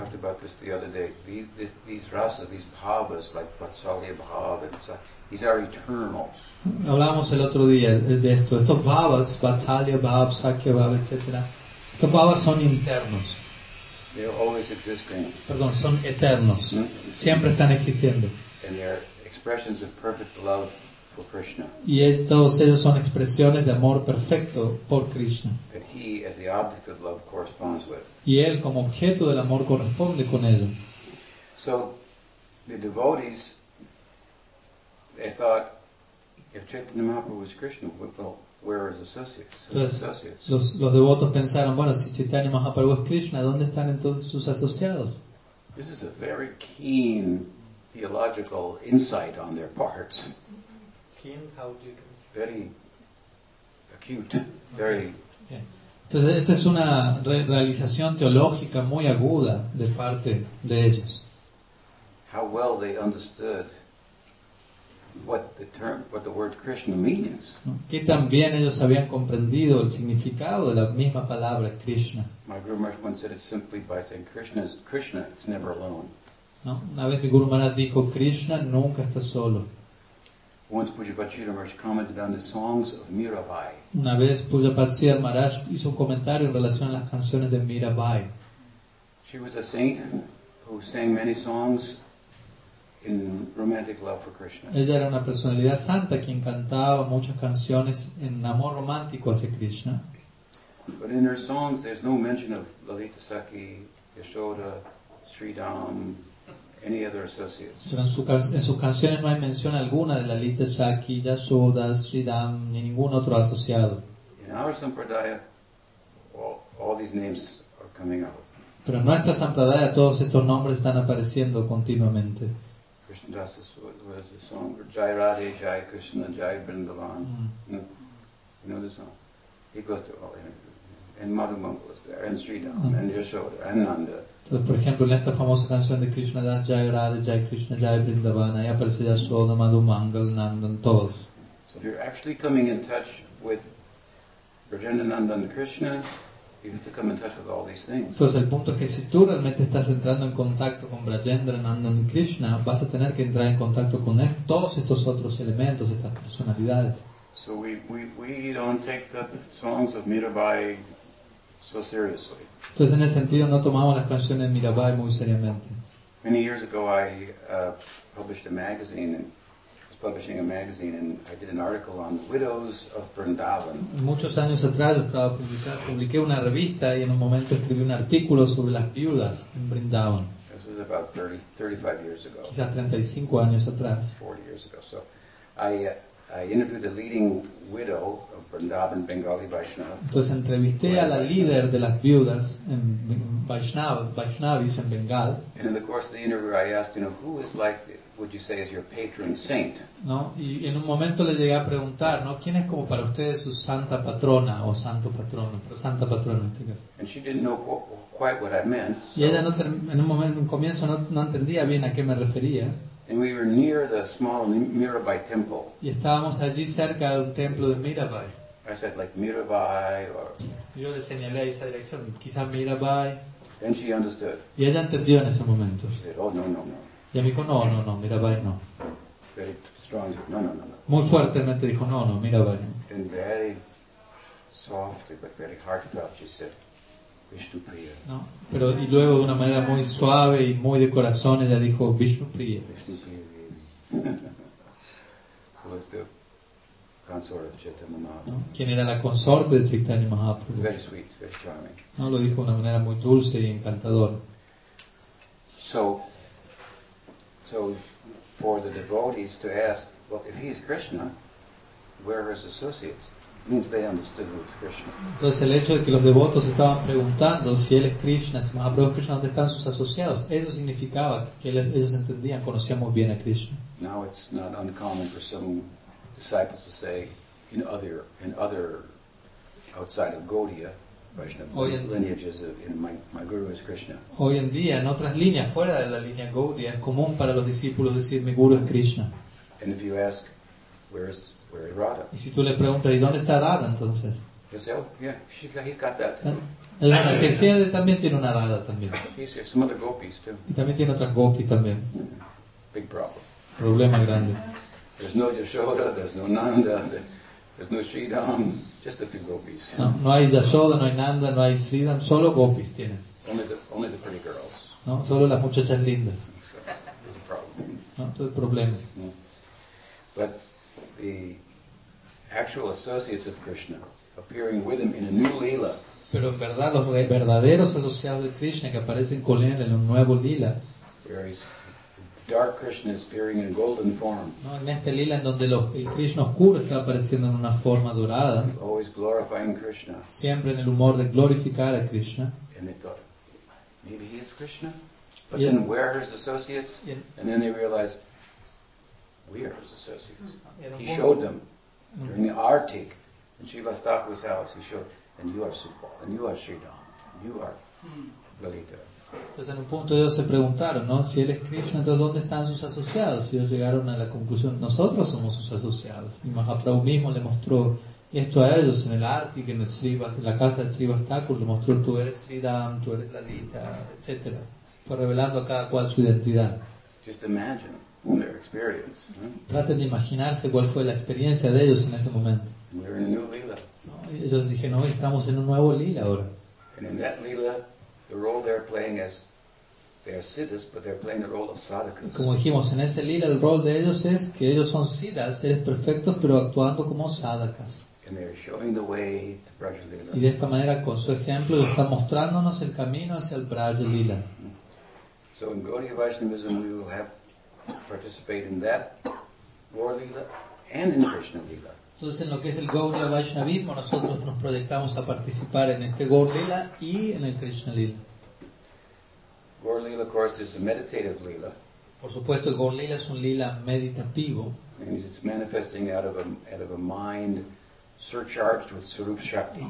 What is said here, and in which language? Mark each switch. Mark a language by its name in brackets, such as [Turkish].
[English] We talked about this the other day. These rasas, these bhavas, like Vatsalya Bhava, these are eternal. [Spanish] Hablamos el otro día de esto. Estos bhavas, Vatsalya Bhava, Sakya Bhava, etc. Estos bhavas son internos. [English] They are always existing. [Spanish] Perdón, son eternos. Siempre están existiendo. [English] And they are expressions of perfect love for Krishna. [Spanish] Y todos ellos son expresiones de amor perfecto por Krishna. [English] That he, as the object of love, corresponds with. [Spanish] Y él, como objeto del amor, corresponde con ello. [English] So, the devotees, they thought, if Chaitanya Mahaprabhu was Krishna, where are his associates? [Spanish] Los devotos pensaron, bueno, si Chaitanya Mahaprabhu es Krishna, ¿dónde están entonces sus asociados? [English] This is a very keen theological insight on their parts. Keen, how do you say? Very acute, very. Okay. [Spanish] Entonces, esta es una realización teológica muy aguda de parte de ellos. [English] How well they understood what the word Krishna means. [Spanish] Que también ellos habían comprendido el significado de la misma palabra Krishna. [English] My Guru Maharaj once said it simply by saying Krishna is Krishna, it's never alone. [Spanish] ¿no? Una vez mi Guru Maharaj dijo, Krishna nunca está solo. [English] Once Pujapachira Maharaj commented on the songs of Mirabai. [Spanish] Una vez Pujapachira Maharaj hizo un comentario en relación a las canciones de Mirabai. [English] She was a saint who sang many songs in romantic love for Krishna. [Spanish] Ella era una personalidad santa quien cantaba muchas canciones en amor romántico hacia Krishna. [English] But in her songs there's no mention of Lalita Sakhi, Yashoda, Sridham, any other associates. [Spanish] Pero en sus canciones no hay mención alguna de Lalita Sakhi, Yashoda, Sridham, ni ningún otro asociado. [English] In our Sampradaya, all these names are coming up. [Spanish] Pero en nuestra Sampradaya todos estos nombres están apareciendo continuamente. [English] Krishna Das was the song, Jai Radhe, Jai Krishna, Jai Vrindavan. You know the song? He goes to all of them. And Madhu Mangala was there, and Sridham, and Yashoda, and Nanda. [Spanish] So, por ejemplo, en esta famosa canción de Krishna Das, Jai Radhe, Jai Krishna, Jai Vrindavan, ahí aparece Yashoda, Madhu Mangala, Nanda, todos. [English] So if you're actually coming in touch with Vrajendra Nanda and Krishna, you have to come in touch with all these things. [Spanish] Entonces el punto es que si tú realmente estás entrando en contacto con Vrajendra, Nandan y Krishna, vas a tener que entrar en contacto con él, todos estos otros elementos, estas personalidades. [English] So we don't take the songs of Mirabai so seriously. [Spanish] Entonces en ese sentido no tomamos las canciones de Mirabai muy seriamente. [English] Many years ago I published a magazine and publishing a magazine and I did an article on the widows of Vrindavan. [Spanish] Muchos años atrás yo estaba publiqué una revista y en un momento escribí un artículo sobre las viudas en Vrindavan. [English] This was about 35 years ago. [Spanish] Quizás 35 años atrás. [English] 40 years ago. So I interviewed the leading widow of Vrindavan, Bengali Vaishnava. [Spanish] Entonces entrevisté a la líder de las viudas en Vaishnavis en Bengal. [English] And in the course of the interview I asked, you know, who is like the, would you say is your patron saint? [Spanish] No, y en un momento le llegué a preguntar, ¿no? ¿Quién es como para ustedes su santa patrona o santo patrono? Pero santa patrona, este caso. [English] And she didn't know quite what I meant. So. [Spanish] Y ella no en un comienzo no entendía bien a qué me refería. [English] And we were near the small Mirabai temple. [Spanish] Y estábamos allí cerca del templo de Mirabai. [English] I said like Mirabai or. [Spanish] Yo le señalé esa dirección, quizás Mirabai. [English] And she understood. [Spanish] Y ella entendió en ese momento. [English] She said, oh no. [Spanish] Y me dijo, no, Mirabai no. [English] Very strong, no. [Spanish] Muy fuertemente dijo, no, Mirabai no. [English] Then very softly, but very heartfelt, she said, Vishnu Priya. [Spanish] No, pero y luego de una manera muy suave y muy de corazón, ella dijo, Vishnu Priya. [English] Vishnu Priya, who was the consort of Chaitanya Mahaprabhu. [Spanish] ¿Quién era la consorte de Chaitanya Mahaprabhu? [English] Very sweet, very charming. [Spanish] No, lo dijo de una manera muy dulce y encantadora. [English] So for the devotees to ask, well, if he is Krishna, where are his associates? It means they understood who is Krishna. [Spanish] Entonces el hecho de que los devotos estaban preguntando si él es Krishna, si Mahaprabhu es Krishna, ¿dónde están sus asociados? Eso significaba que ellos entendían, conocían muy bien a Krishna. [English] Now it's not uncommon for some disciples to say in other outside of Gaudiya, my guru is Krishna. [Spanish] Hoy en día, en otras líneas fuera de la línea Gaudiya, es común para los discípulos decir mi guru es Krishna. [English] And if you ask, where is Radha? [Spanish] Y si tú le preguntas, ¿y dónde está Radha entonces? [English] He'll say, oh, yeah, he's got that. [Spanish] Sí, también tiene una Radha también. [English] Some other gopis too. [Spanish] Y también tiene otras gopis también. [English] Big problem. [Spanish] Problema grande. [English] There's no Yashoda, there's no Nanda. There's no Sridham, just a few gopis. [Spanish] No hay Yashoda, no hay Nanda, no hay Sridham, solo gopis tienen. [English] Only the pretty girls. [Spanish] No, solo las muchachas lindas. [English] There's a problem. [Spanish] No, es un problema. [English] But the actual associates of Krishna appearing with him in a new lila. [Spanish] Pero en verdad los verdaderos asociados de Krishna que aparecen con él en un nuevo lila. [English] Dark Krishna is appearing in golden form. [Spanish] No, en este lila en donde el Krishna oscuro está apareciendo en una forma dorada. [English] Always glorifying Krishna. [Spanish] Siempre en el humor de glorificar a Krishna. [English] And they thought, maybe he is Krishna, but then where are his associates? And then they realized, we are his associates. He showed them during the Artik in Shivastaku's house. He showed, and you are Supal, and you are Sridham, you are Lalita. [Spanish] Entonces en un punto ellos se preguntaron, ¿no? Si él es Krishna, entonces ¿dónde están sus asociados? Y ellos llegaron a la conclusión, nosotros somos sus asociados. Y Mahaprabhu mismo le mostró esto a ellos en el arte, que en la casa de Sri Vastakur le mostró, tú eres Sridham, tú eres Lalita, etc. por revelando a cada cual su identidad. [English] Just imagine their experience. [Spanish] Traten de imaginarse cuál fue la experiencia de ellos en ese momento. [English] We're in a new lila. [Spanish] No, ellos dijeron, no, estamos en un nuevo lila ahora. [English] And in that lila, the role they're playing is they are siddhas, but they're playing the role of sadhakas. [Spanish] Como dijimos, en ese lila el rol de ellos es que ellos son siddhas, seres perfectos, pero actuando como sadhakas. [English] And they're showing the way to Braja Lila. [Spanish] Y de esta manera, con su ejemplo, está mostrándonos el camino hacia el Braja Lila. [English] So in Gaudiya Vaishnavism, we will have participate in that war lila and in Krishna lila. [Spanish] Entonces, en lo que es el Gaudiya Vaishnavismo, nosotros nos proyectamos a participar en este Gaur Lila y en el Krishna Lila. [English] Gaur Lila, of course, is a meditative lila. [Spanish] Por supuesto, el Gaur Lila es un lila meditativo. [English] It's manifesting out of a mind surcharged with Surup Shakti.